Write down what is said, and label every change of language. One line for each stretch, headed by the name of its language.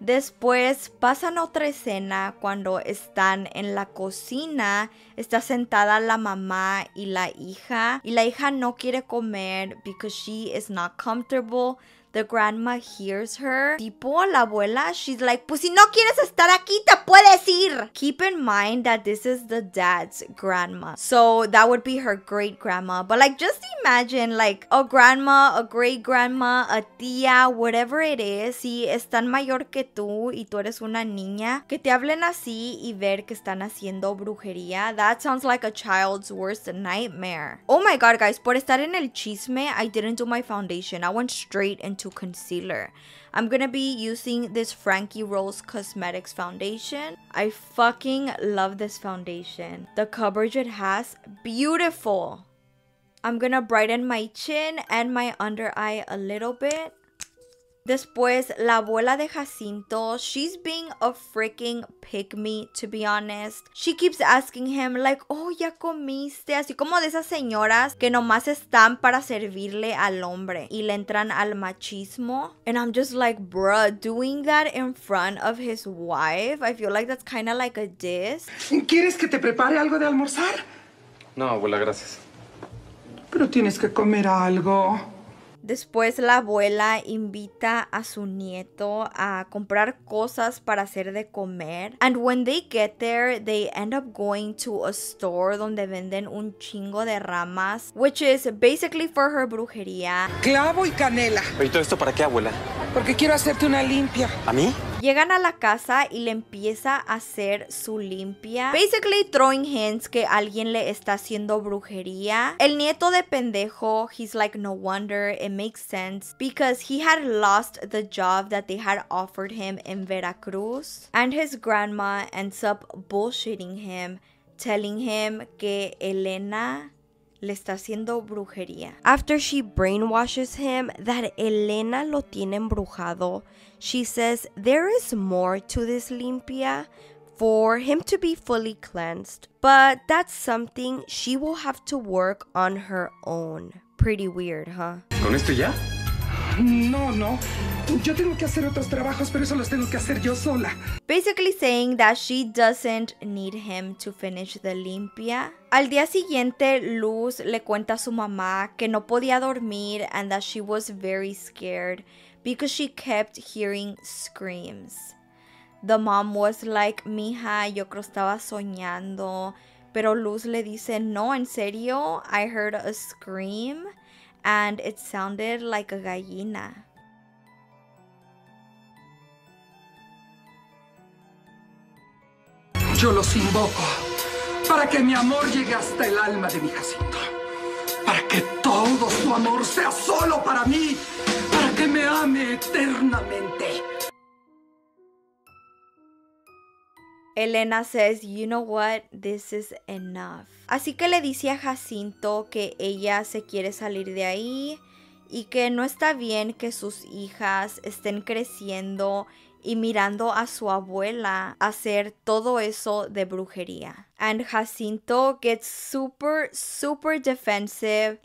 Spanish: Después pasan otra escena cuando están en la cocina. Está sentada la mamá y la hija. Y la hija no quiere comer
English: because she is not comfortable. The grandma hears her.
Spanish: Tipo la abuela,
English: she's like,
Spanish: pues si no quieres estar aquí, te puedes ir.
English: Keep in mind that this is the dad's grandma. So that would be her great grandma. But like, just imagine like a grandma, a great grandma, a tía, whatever it is.
Spanish: Si están mayor que tú y tú eres una niña, que te hablen así y ver que están haciendo brujería.
English: That sounds like a child's worst nightmare. Oh my god, guys,
Spanish: por estar en el chisme,
English: I didn't do my foundation. I went straight into concealer. I'm gonna be using this Frankie Rose Cosmetics foundation. I fucking love this foundation. The coverage it has, beautiful. I'm gonna brighten my chin and my under eye a little bit.
Spanish: Después, la abuela de Jacinto,
English: she's being a freaking pygmy, to be honest. She keeps asking him, like, oh,
Spanish: ¿ya comiste? Así como de esas señoras que nomás están para servirle al hombre y le entran al machismo.
English: And I'm just like, bruh, doing that in front of his wife, I feel like that's kind of like a diss.
Spanish: ¿Quieres que te prepare algo de almorzar? No, abuela, gracias. Pero tienes que comer algo. Después la abuela invita a su nieto a comprar cosas para hacer de comer.
English: And when they get there, they end up going to a store
Spanish: donde venden un chingo de ramas,
English: which is basically for her brujería.
Spanish: Clavo y canela. ¿Y todo esto para qué, abuela? Porque quiero hacerte una limpia. ¿A mí? Llegan a la casa y le empieza a hacer su limpia.
English: Basically throwing hints
Spanish: que alguien le está haciendo brujería. El nieto de pendejo,
English: he's like, no wonder, it makes sense. Because he had lost the job that they had offered him in Veracruz. And his grandma ends up bullshitting him, telling him
Spanish: que Elena le está haciendo brujería.
English: After she brainwashes him that
Spanish: Elena lo tiene embrujado,
English: she says there is more to this limpia for him to be fully cleansed. But that's something she will have to work on her own. Pretty weird, huh?
Spanish: ¿Con esto ya? No, no. Yo tengo que hacer otros trabajos, pero eso los tengo que hacer yo sola.
English: Basically saying that she doesn't need him to finish the limpia.
Spanish: Al día siguiente, Luz le cuenta a su mamá que no podía dormir
English: and that she was very scared because she kept hearing screams. The mom was like,
Spanish: mija, yo creo estaba soñando. Pero Luz le dice, no, en serio,
English: I heard a scream and it sounded like a gallina.
Spanish: Yo los invoco para que mi amor llegue hasta el alma de mi Jacinto. Para que todo su amor sea solo para mí. Para que me ame eternamente.
English: Elena says, you know what, this is enough.
Spanish: Así que le dice a Jacinto que ella se quiere salir de ahí y que no está bien que sus hijas estén creciendo y mirando a su abuela hacer todo eso de brujería.
English: And Jacinto gets super, super defensive.